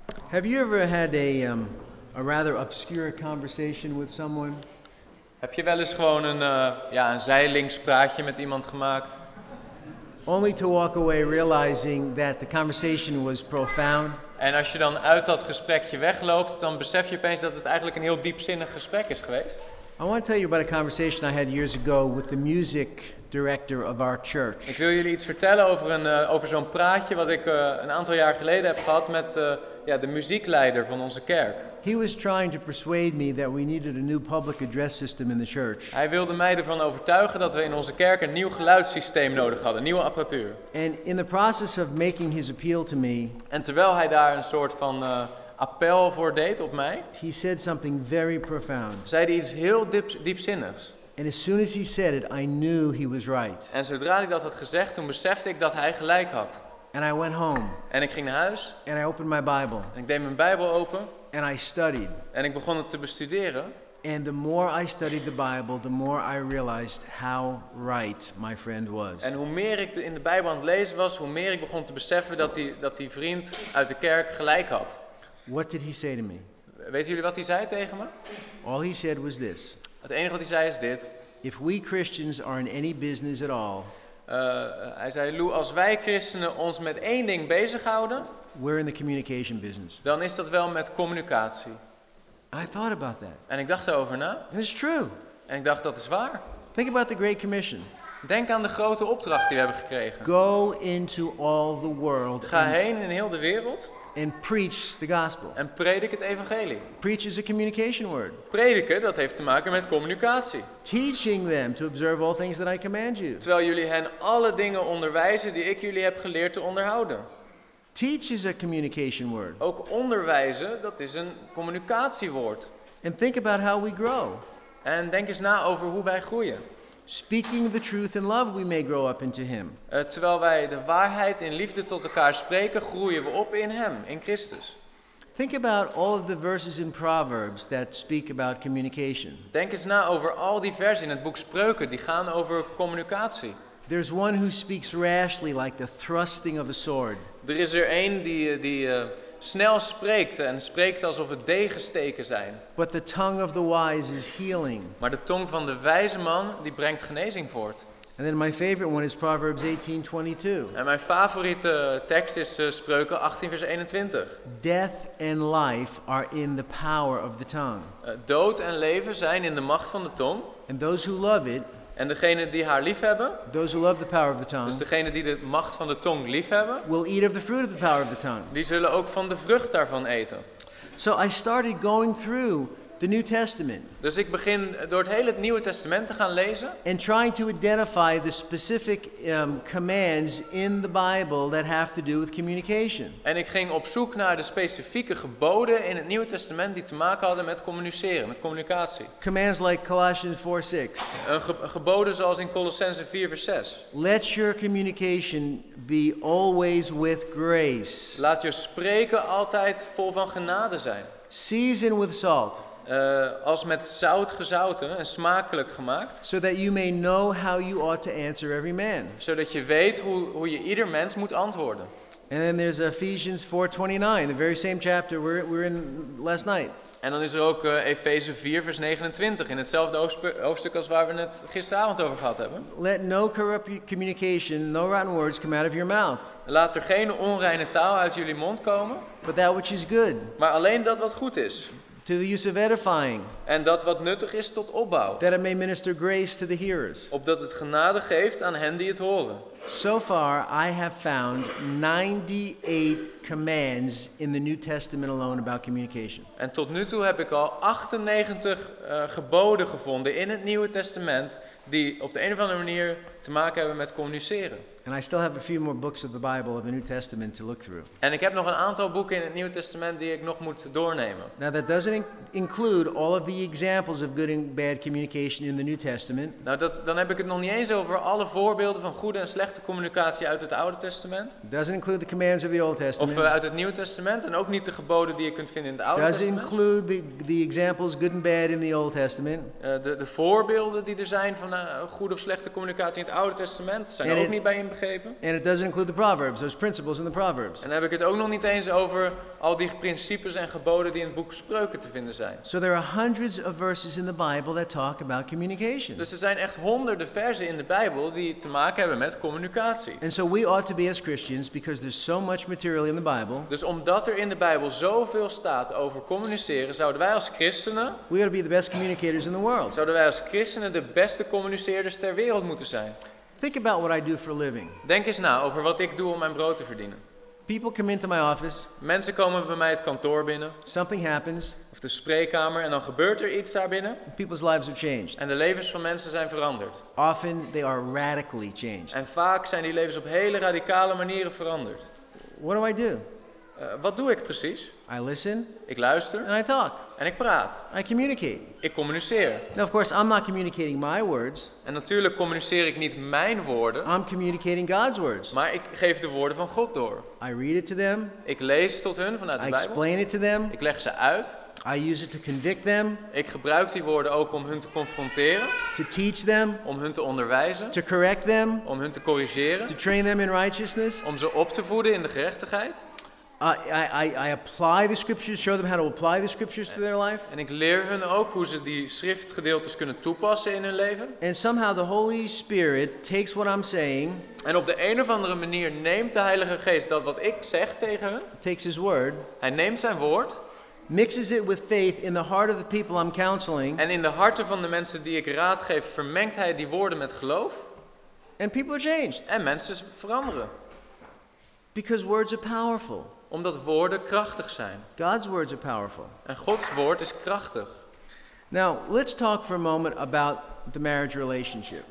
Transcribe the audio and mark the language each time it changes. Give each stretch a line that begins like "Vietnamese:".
English: Have you ever had a rather obscure conversation with someone?
Dutch: Heb je wel eens gewoon een zijlings praatje met iemand gemaakt?
English: Only to walk away realizing that the conversation was profound.
Dutch: En als je dan uit dat gesprekje wegloopt, dan besef je opeens dat het eigenlijk een heel diepzinnig gesprek is geweest.
English: I want to tell you about a conversation I had years ago with the music director of our church.
Dutch: Ik wil jullie iets vertellen over zo'n praatje wat ik een aantal jaar geleden heb gehad met de muziekleider van onze kerk.
English: He was trying to persuade me that we needed a new public address system in the church.
Dutch: Hij wilde mij ervan overtuigen dat we in onze kerk een nieuw geluidssysteem nodig hadden, een nieuwe apparatuur.
English: And in the process of making his appeal to me,
Dutch: en terwijl hij daar een soort van appel voor deed op mij,
English: he said something very profound.
Dutch: Zei hij iets heel diepzinnigs.
English: And as soon as he said it, I knew he was right.
Dutch: En zodra ik dat had gezegd, toen besefte ik dat hij gelijk had.
English: And I went home.
Dutch: En ik ging naar huis.
English: And I opened my Bible.
Dutch: En ik deed mijn Bijbel open.
English: And I studied.
Dutch: En ik begon het te bestuderen.
English: And the more I studied the Bible, the more I realized how right my friend was.
Dutch: En hoe meer ik in de Bijbel aan het lezen was, hoe meer ik begon te beseffen dat die vriend uit de kerk gelijk had.
English: What did he say to me?
Dutch: Weten jullie wat hij zei tegen me?
English: All he said was this.
Dutch: Het enige wat hij zei is dit.
English: If we Christians are in any business at all,
Dutch: hij zei, Lou, als wij christenen ons met één ding bezighouden,
English: we're in the communication business.
Dutch: Dan is dat wel met communicatie.
English: I thought about that.
Dutch: En ik dacht erover na.
English: It's true.
Dutch: En ik dacht, dat is waar.
English: Think about the Great Commission.
Dutch: Denk aan de grote opdracht die we hebben gekregen.
English: Go into all the world.
Dutch: Ga heen in heel de wereld.
English: And preach the gospel.
Dutch: En predik het evangelie.
English: Preach is a communication word.
Dutch: Prediken, dat heeft te maken met communicatie.
English: Teaching them to observe all things that I command you.
Dutch: Terwijl jullie hen alle dingen onderwijzen die ik jullie heb geleerd te onderhouden.
English: Teach is a communication word.
Dutch: Ook onderwijzen, dat is een communicatiewoord.
English: And think about how we grow.
Dutch: En denk eens na over hoe wij groeien.
English: Speaking the truth in love, we may grow up into him.
Dutch: Terwijl wij de waarheid in liefde tot elkaar spreken, groeien we op in hem, in Christus.
English: Think about all of the verses in Proverbs that speak about communication.
Dutch: Denk eens na over al die versen in het boek Spreuken die gaan over communicatie.
English: There's one who speaks rashly like the thrusting of a sword.
Dutch: Er is er één die snel spreekt en spreekt alsof het degensteken zijn.
English: But the tongue of the wise is healing.
Dutch: Maar de tong van de wijze man die brengt genezing voort.
English: And then my favorite one is Proverbs 18:22.
Dutch: En mijn favoriete tekst is Spreuken 18 vers 21.
English: Death and life are in the power of the tongue.
Dutch: Dood en leven zijn in de macht van de tong.
English: And those who love it.
Dutch: En degene die haar lief hebben,
English: those who love the power of the tongue,
Dutch: dus degene die de macht van de tong lief hebben,
English: will eat of the fruit of the power of the tongue.
Dutch: Die zullen ook van de vrucht daarvan eten.
English: So I started going through the New Testament.
Dutch: Dus ik begin door het hele Nieuwe Testament te gaan lezen.
English: And trying to identify the specific commands in the Bible that have to do with communication.
Dutch: En ik ging op zoek naar de specifieke geboden in het Nieuwe Testament die te maken hadden met communiceren, met communicatie.
English: Commands like Colossians 4:6.
Dutch: Geboden zoals in Colossenzen 4 vers 6.
English: Let your communication be always with grace.
Dutch: Laat je spreken altijd vol van genade zijn.
English: Season with salt.
Dutch: Als met zout gezouten en smakelijk gemaakt.
English: So that you may know how you ought to answer every man.
Dutch: Zodat je weet hoe je ieder mens moet antwoorden.
English: And then there's Ephesians 4:29, the very same chapter we're in last night.
Dutch: En dan is er ook Efeze 4 vers 29 in hetzelfde hoofdstuk als waar we het gisteravond over gehad hebben.
English: Let no corrupt communication, no rotten words come out of your mouth.
Dutch: Laat er geen onreine taal uit jullie mond komen.
English: But that which is good.
Dutch: Maar alleen dat wat goed is.
English: To the use of edifying.
Dutch: En dat wat nuttig is tot opbouw.
English: That it may minister grace to the hearers.
Dutch: Opdat het genade geeft aan hen die het horen.
English: So far I have found 98 commands in the New Testament alone about communication.
Dutch: En tot nu toe heb ik al 98 geboden gevonden in het Nieuwe Testament die op de een of andere manier te maken hebben met communiceren.
English: And I still have a few more books of the Bible of the New Testament to look through.
Dutch: En ik heb nog een aantal boeken in het Nieuwe Testament die ik nog moet doornemen.
English: Now that doesn't include all of the examples of good and bad communication in the New Testament.
Dutch: Nou, dan heb ik het nog niet eens over alle voorbeelden van goede en slechte communicatie uit het Oude Testament.
English: Doesn't include the commands of the Old Testament.
Dutch: Of uit het Nieuwe Testament en ook niet de geboden die je kunt vinden in het Oude Testament.
English: Doesn't include the examples good and bad in the Old Testament.
Dutch: De voorbeelden die er zijn van goede of slechte communicatie in het Oude Testament zijn er ook niet bij inbegrepen.
English: And it doesn't include the Proverbs, those principles in the Proverbs.
Dutch: En dan heb ik het ook nog niet eens over al die principes en geboden die in het boek Spreuken te vinden zijn.
English: So there are hundreds of verses in the Bible that talk about communication.
Dutch: Dus er zijn echt honderden versen in de Bijbel die te maken hebben met communicatie.
English: And so we ought to be as Christians because there's so much material in the Bible.
Dutch: Dus omdat er in de Bijbel zoveel staat over communiceren, zouden wij als christenen,
English: we ought to be the best communicators in the world.
Dutch: Zouden wij als christenen de beste communiceerders ter wereld moeten zijn.
English: Think about what I do for a living.
Dutch: Denk eens na over wat ik doe om mijn brood te verdienen.
English: People come into my office.
Dutch: Mensen komen bij mij het kantoor binnen.
English: Something happens.
Dutch: Of de spreekkamer en dan gebeurt er iets daar binnen.
English: People's lives are changed.
Dutch: En de levens van mensen zijn veranderd.
English: Often they are radically changed.
Dutch: En vaak zijn die levens op hele radicale manieren veranderd.
English: What do I do?
Dutch: Wat doe ik precies?
English: I listen.
Dutch: Ik luister.
English: And I talk.
Dutch: En ik praat.
English: I communicate.
Dutch: Ik communiceer.
English: Now of course I'm not communicating my words.
Dutch: En natuurlijk communiceer ik niet mijn woorden.
English: I'm communicating God's words.
Dutch: Maar ik geef de woorden van God door.
English: I read it to them.
Dutch: Ik lees tot hun vanuit de
English: Bijbel. I explain it to them.
Dutch: Ik leg ze uit.
English: I use it to convict them.
Dutch: Ik gebruik die woorden ook om hun te confronteren.
English: To teach them.
Dutch: Om hun te onderwijzen.
English: To correct them.
Dutch: Om hun te corrigeren.
English: To train them in righteousness.
Dutch: Om ze op te voeden in de gerechtigheid.
English: I apply the scriptures, show them how to apply the scriptures to their life.
Dutch: En ik leer hun ook hoe ze die schriftgedeeltes kunnen toepassen in hun leven.
English: And somehow the Holy Spirit takes what I'm saying.
Dutch: En op de een of andere manier neemt de Heilige Geest dat wat ik zeg tegen hen.
English: Takes his word.
Dutch: Hij neemt zijn woord.
English: Mixes it with faith in the heart of the people I'm counseling.
Dutch: En in de harten van de mensen die ik raad geef, vermengt hij die woorden met geloof.
English: And people are changed.
Dutch: En mensen veranderen.
English: Because words are powerful.
Dutch: Omdat woorden krachtig zijn.
English: God's words are powerful.
Dutch: En Gods woord is krachtig.
English: Now, let's talk for a moment about the marriage relationship.